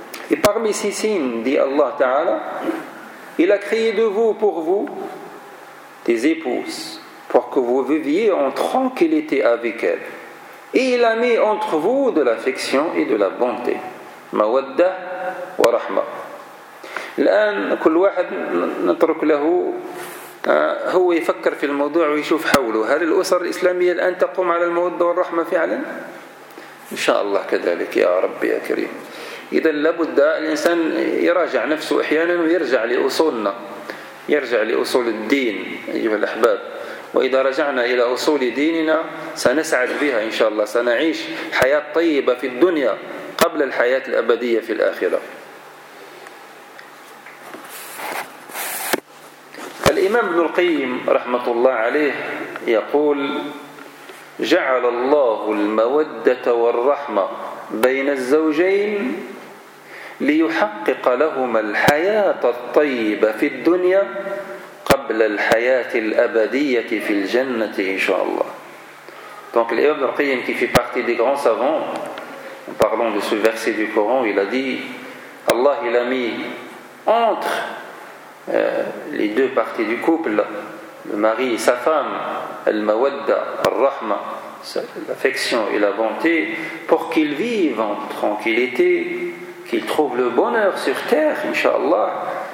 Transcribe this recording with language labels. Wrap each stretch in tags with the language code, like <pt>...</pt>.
<fr>Et parmi ces signes, dit Allah Ta'ala, il a créé de vous pour vous des épouses pour que vous viviez en tranquillité avec elles. Et il a mis entre vous de l'affection et de la bonté.</fr> <ar>Mawadda wa rahma. الآن كل واحد نترك له هو يفكر في الموضوع ويشوف حوله، هل الأسر الإسلامية الآن تقوم على المودة والرحمة فعلا؟ إن شاء الله كذلك يا ربي يا كريم. إذا لابد الإنسان يراجع نفسه أحيانا ويرجع لأصولنا، يرجع لأصول الدين أيها الأحباب. وإذا رجعنا إلى أصول ديننا سنسعد بها إن شاء الله، سنعيش حياة طيبة في الدنيا قبل الحياة الأبدية في الآخرة. الإمام ابن القيم رحمة الله عليه يقول جعل الله المودة والرحمة بين الزوجين ليحقق لهما الحياة الطيبة في الدنيا قبل الحياة الأبدية في الجنة إن شاء الله.</ar> <fr>Donc l'Imam ibn al-Qayyim qui fait partie des grands savants, en parlant de ce verset du Coran, il a dit Allah il a mis entre les deux parties du couple, le mari et sa femme, al-mawadda, al-rahma, l'affection et la bonté, pour qu'ils vivent en tranquillité, qu'ils trouvent le bonheur sur terre, inshallah,</fr>